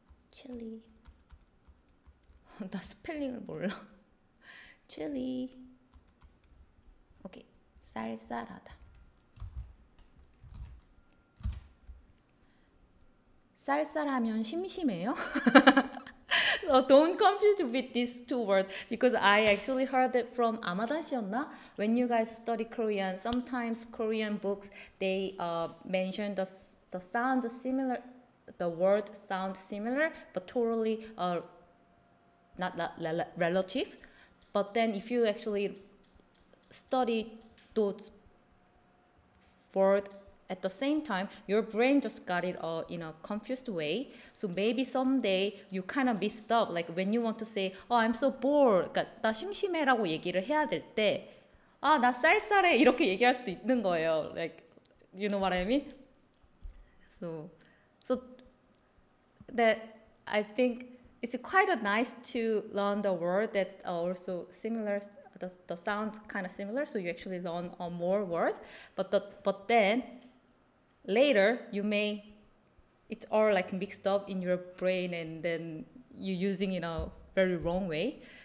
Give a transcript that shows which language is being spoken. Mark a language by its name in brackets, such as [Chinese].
[Korean] 칠리 나 스펠링을 몰라 칠리 오케이 쌀쌀하다 쌀쌀하면 심심해요? [English] Don't confuse with these two words because I actually heard it from 아마다시였나? When you guys study Korean, sometimes Korean books they mention the sound similar The word sound similar, but totally not relative. But then, if you actually study those words at the same time, your brain just got it all in a confused way. So maybe someday you kind of messed up. Like when you want to say, "Oh, I'm so bored." [Korean] 그러니까 나 심심해라고 얘기를 해야 될 때, 아, 나 쌀쌀해 이렇게 얘기할 수도 있는 거예요. [English] Like you know what I mean? So that I think it's quite a nice to learn the word that are also similar. The sounds kind of similar, so you actually learn more words. But then later you may it's all like mixed up in your brain, and then you're using in a very wrong way.